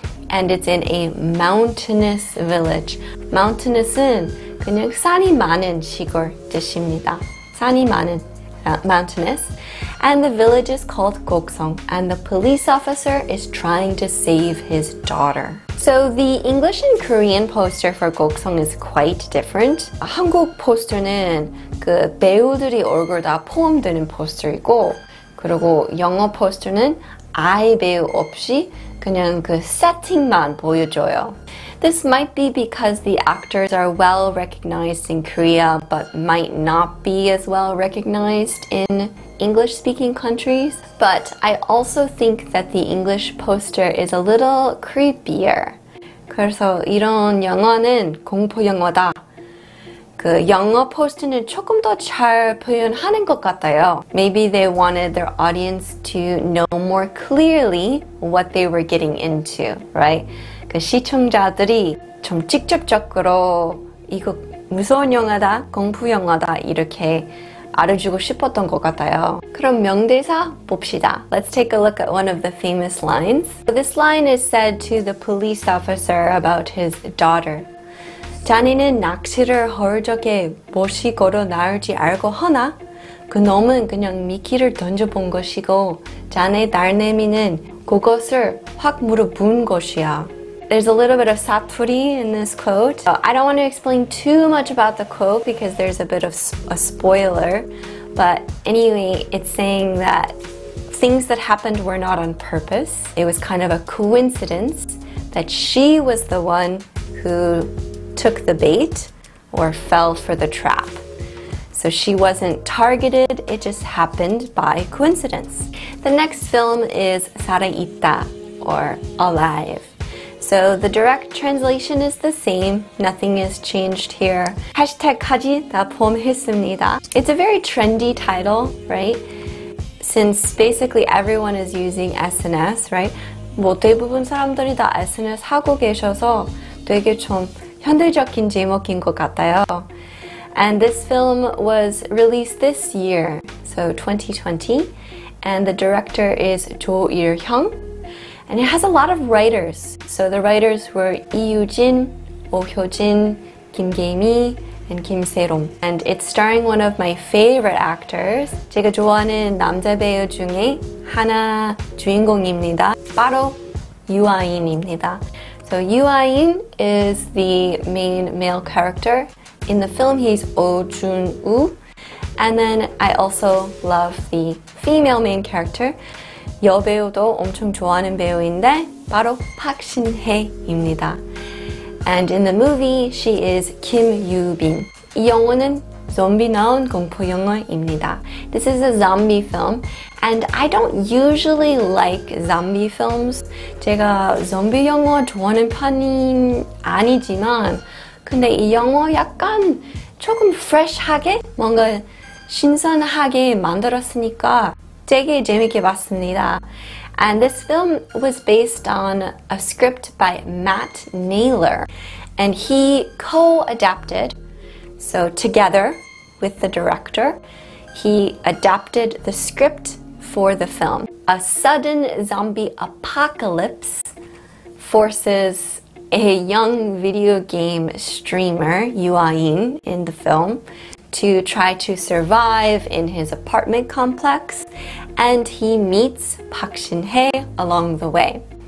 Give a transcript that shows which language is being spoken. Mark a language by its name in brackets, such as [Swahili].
[English] And it's in a mountainous village. Mountainous은 [Korean] 그냥 산이 많은 시골 뜻입니다. 산이 많은, [English] mountainous. And the village is called 곡성. And the police officer is trying to save his daughter. So the English and Korean poster for 곡성 is quite different. [Korean] 한국 포스터는 그 배우들이 얼굴 다 포함되는 포스터이고, 그리고 영어 포스터는 아예 배우 없이 그냥 그 세팅만 보여줘요. [English] This might be because the actors are well recognized in Korea, but might not be as well recognized in English-speaking countries. But I also think that the English poster is a little creepier. [Korean] 그래서 이런 영화는 공포 영화다. 그 영어 포스터는 조금 더잘 표현하는 것 같아요. [English] Maybe they wanted their audience to know more clearly what they were getting into, right? [Korean] 그 시청자들이 좀 직접적으로 이거 무서운 영화다, 공포 영화다 이렇게 알아주고 싶었던 것 같아요. 그럼 명대사 봅시다. [English] Let's take a look at one of the famous lines. So this line is said to the police officer about his daughter. [Korean] 자네는 낚시를 헐 적에 무엇이 걸어 나올지 알고 허나 그 놈은 그냥 미끼를 던져본 것이고 자네 딸내미는 그것을 확 물어본 것이야. [English] there's a little bit of 사투리 in this quote. I don't want to explain too much about the quote because there's a bit of a spoiler. But anyway, it's saying that things that happened were not on purpose. It was kind of a coincidence that she was the one who took the bait or fell for the trap. So she wasn't targeted, it just happened by coincidence. The next film is 살아있다, or alive. So the direct translation is the same, nothing is changed here. [Korean] #까지 다 포함했습니다. [English] It's a very trendy title, right? Since basically everyone is using SNS, right? [Korean] 뭐 대부분 사람들이 다 SNS 하고 계셔서 되게 좀 현대적인 제목인 것 같아요. [English] And this film was released this year, so 2020. And the director is Jo Il-hyung. And it has a lot of writers. So the writers were Lee Yoo-jin, Oh Hyo-jin, Kim Gae-mi, and Kim Se-rong. And it's starring one of my favorite actors. [Korean] 제가 좋아하는 남자 배우 중에 하나 주인공입니다. 바로 유아인입니다. [English] So Yoo-ah-in is the main male character. In the film, he's Oh Jun-woo. And then I also love the female main character. [Korean] 여배우도 엄청 좋아하는 배우인데 바로 박신혜입니다. [English] And in the movie, she is Kim Yoo-bin. [Korean] 이 영화는 좀비 나온 공포 영화입니다. [English] This is a zombie film. And I don't usually like zombie films. [Korean] 제가 좀비 영화 좋아하는 편이 아니지만 근데 이 영화 약간 조금 fresh하게 뭔가 신선하게 만들었으니까 되게 재밌게 봤습니다. [English] And this film was based on a script by Matt Naylor. And he co-adapted, so together with the director, he adapted the script for the film. A sudden zombie apocalypse forces a young video game streamer, Yoo-ah-in, in the film, to try to survive in his apartment complex, and he meets Park Shin-hye along the way.